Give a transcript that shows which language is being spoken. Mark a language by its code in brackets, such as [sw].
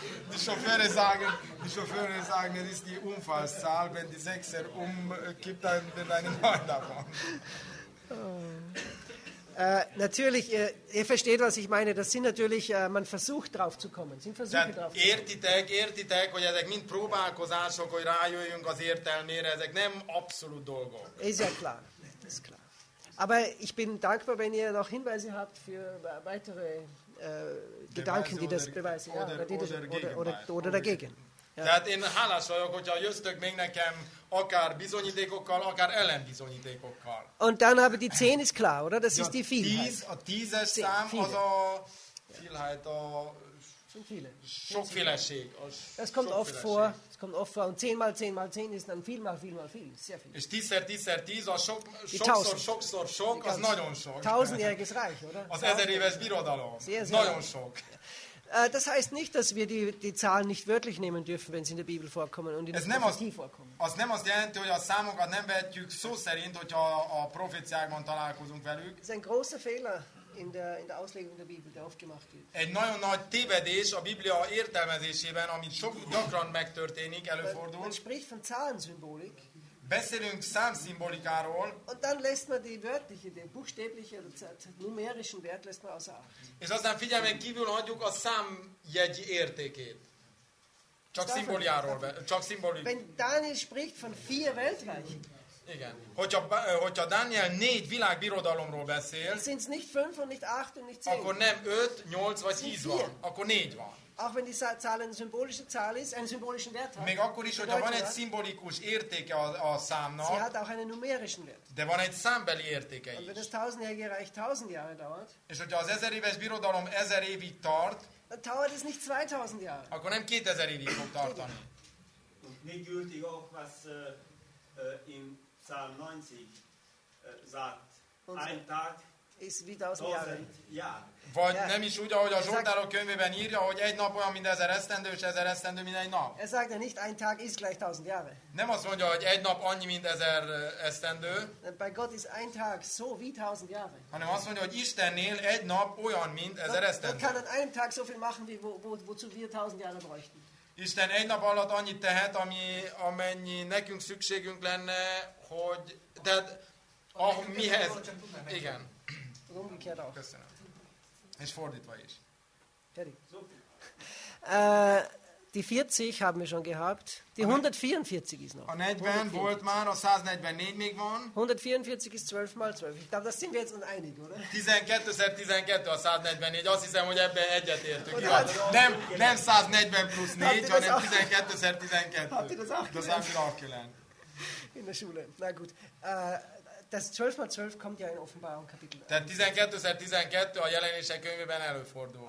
[de] Die Chauffeure sagen, das ist die Unfallzahl, wenn die Sechser umkippt, dann wird eine 9 davon. Natürlich, ihr versteht, was ich meine. Das sind natürlich, man versucht drauf zu kommen. Sind Versuche drauf zu kommen. [hu] Értitek, hogy ezek mind próbálkozások, hogy rájöjjünk az értelmére, ezek nem abszolút dolgok. [de] Ist ja klar. Aber ich bin dankbar, wenn ihr noch Hinweise habt für weitere Gedanken, die das beweisen. Oder dagegen. [hu] Tehát én hálás vagyok, hogyha jöztök még nekem akár bizonyítékokkal, akár ellenbizonyítékokkal. [de] Und dann habe die 10 ist klar, oder? Das ist die Vielheit. [hu] A 10-es szám az a Vielheit, a [de] Sind viele. [hu] Sokféleség. [de] Es kommt oft vor. Es kommt oft vor. Und 10 mal 10 mal 10 ist dann viel mal viel. Sehr viel. [hu] És 10-szer 10-szer 10, az sokszor sok, az nagyon sok. [de] 1000-jähriges Reich, oder? [hu] Az 1000 éves birodalom. [de] Sehr, sehr. [hu] Nagyon sok. [de] Das heißt nicht, dass wir die Zahlen nicht wörtlich nehmen dürfen, wenn sie in der Bibel vorkommen und in der Prophetie vorkommen. [hu] Az nem azt jelenti, hogy a számokat nem vehetjük szó szerint, hogyha a proféciákban találkozunk velük. Ez egy [de] großer Fehler in der Auslegung der Bibel, der oft gemacht wird. [hu] Egy nagyon nagy tévedés a Biblia értelmezésében, amit sok gyakran megtörténik, előfordul. [de] Man spricht von Zahlensymbolik. [hu] Beszélünk számszimbolikáról. [de] Und dann lässt man die wörtliche, den buchstäblichen oder numerischen Wert lässt man außer Acht. [hu] És aztán figyelmen kívül hagyjuk a számjegy értékét. Csak szimboliáról, csak szimbolikáról. [de] Wenn Daniel spricht von 4 Weltreichen. [hu] Igen. Hogyha Daniel 4 világbirodalomról beszél, [de] sind's nicht 5 und nicht 8 und nicht 10. [hu] Akkor nem 5, 8 vagy 10 van, akkor 4 van. [de] Auch wenn die Zahl eine symbolische Zahl ist, einen symbolischen Wert hat. [hu] Még akkor is, hogyha van egy szimbolikus értéke a számnak. [de] Sie hat auch einen numerischen Wert. [hu] De van egy számbeli értéke [de] is. Und wenn das 1000-jährige Reich 1000 Jahre dauert. [hu] És hogyha az 1000 éves birodalom 1000 évig tart. [de] Dann dauert es nicht 2000 Jahre. [hu] Akkor nem 2000 évig fog tartani. [de] Und nicht gültig auch, was im Psalm 90 sagt. Ein Tag. [hu] És 1000 jár. Vagy nem is úgy, ahogy a Zsoltárok könyvében írja, hogy egy nap olyan, mint 1000 esztendő, és 1000 esztendő, mint egy nap. [de] Er sagt ja nicht, ein Tag ist gleich 1000 Jahre. [hu] Nem azt mondja, hogy egy nap annyi, mint 1000 esztendő. [de] Bei Gott ist ein Tag so wie 1000 Jahre. [hu] Hanem azt mondja, hogy Istennél egy nap olyan, mint 1000 esztendő. [de] Gott kann an einem Tag so viel machen, wie wozu wir 1000 Jahre bräuchten. [hu] Isten egy nap alatt annyit tehet, amennyi nekünk szükségünk lenne, hogy... De, mihez... Igen. [de] Umgekehrt auch. [hu] Köszönöm. És fordítva is. [de] Fertig. Die 40 haben wir schon gehabt. Die 144 ist noch. [hu] A 40 volt már, a 144 még van. [de] 144 ist 12 mal 12. Ich glaube, das sind wir jetzt uns einig, oder? [hu] 12-szer 12 a 144. Azt hiszem, hogy ebben egyetértünk. Nem 140 plusz 4, hanem 12-szer 12. [de] Habt ihr das auch gelernt? In der Schule. Na gut. Das 12 mal 12 kommt ja in Offenbarung Kapitel 1. [hu] 12-szer 12 a Jelenések könyvében előfordul.